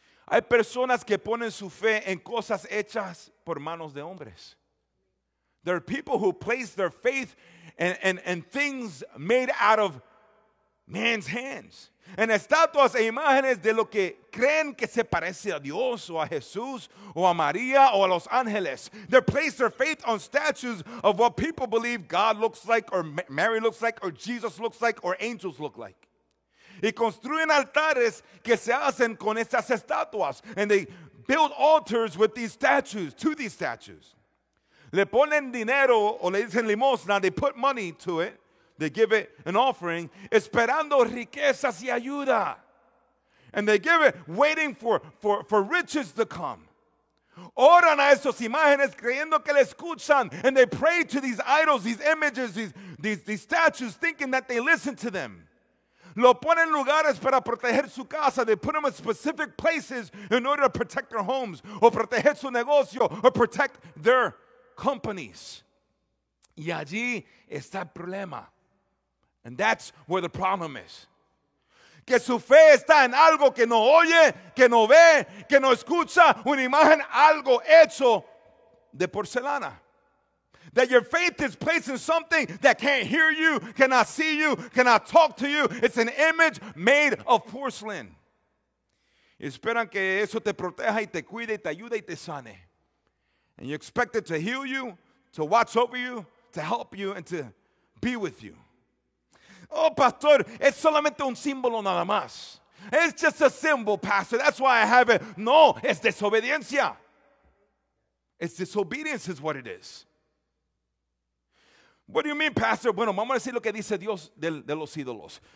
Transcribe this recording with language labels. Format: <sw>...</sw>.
<es>Hay personas que ponen su fe en cosas hechas por manos de hombres.</es> <en>There are people who place their faith in things made out of man's hands.</en> <es>En estatuas e imágenes de lo que creen que se parece a Dios o a Jesús o a María o a los ángeles.</es> <en>They place their faith on statues of what people believe God looks like or Mary looks like or Jesus looks like or angels look like.</en> <es>Y construyen altares que se hacen con esas estatuas.</es> <en>And they build altars with these statues, to these statues.</en> <es>Le ponen dinero o le dicen limosna,</es> <en>they put money to it. They give it an offering,</en> <es>esperando riquezas y ayuda.</es> <en>And they give it, waiting for riches to come.</en> <es>Oran a esas imágenes creyendo que le escuchan.</es> <en>And they pray to these idols, these images, these statues, thinking that they listen to them.</en> <es>Lo ponen en lugares para proteger su casa.</es> <en>They put them in specific places in order to protect their homes,</en> <es>o proteger su negocio,</es> <en>or protect their companies.</en> <es>Y allí está el problema.</es> <en>And that's where the problem is.</en> <es>Que su fe está en algo que no oye, que no ve, que no escucha, una imagen, algo hecho de porcelana.</es> <en>That your faith is placed in something that can't hear you, cannot see you, cannot talk to you. It's an image made of porcelain.</en> <es>Y esperan que eso te proteja y te cuide y te ayude y te sane.</es> <en>And you expect it to heal you, to watch over you, to help you, and to be with you.</en> <es>Oh, pastor, es solamente un símbolo nada más.</es> <en>It's just a symbol, pastor. That's why I have it.</en> <es>No, es desobediencia.</es> <en>It's disobedience is what it is. What do you mean, pastor?</en> <es>Bueno, vamos a decir lo que dice Dios de los ídolos.</es>